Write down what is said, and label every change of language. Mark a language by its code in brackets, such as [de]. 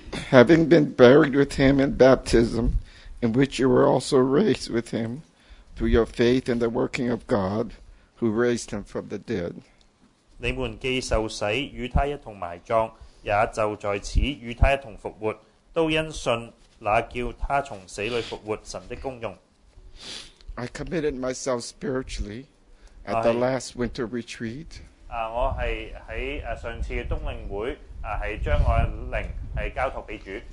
[en] Having been buried with him in baptism, in which you were also raised with him, through your faith in the working of God, who raised him from the dead. [zh] 你们既受洗与他一同埋葬，也就在此与他一同复活，都因信。 [en] I committed myself spiritually at the last winter retreat. [zh] 我是在上次的冬令会，是将我的灵交托给主。